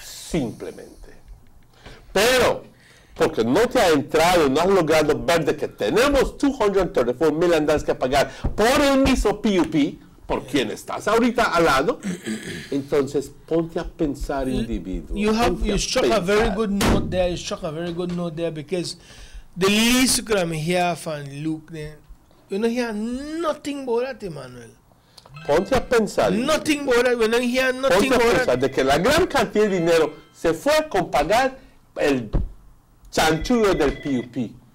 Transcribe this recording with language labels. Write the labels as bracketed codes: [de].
[es] Simplemente. Pero, porque no te ha entrado, no has logrado ver de que tenemos 234 million dólares que pagar por el mismo PUP, por yeah. quien estás ahorita al lado, entonces ponte a pensar, individuo. [en] You struck a very good note there, because the least you could have heard from Luke, then, you don't hear nothing about that, Emmanuel. [es] Ponte a pensar. [en] Nothing about that, you don't hear nothing about that. [es] De que la gran cantidad de dinero se fue con pagar el chanchullo del PUP.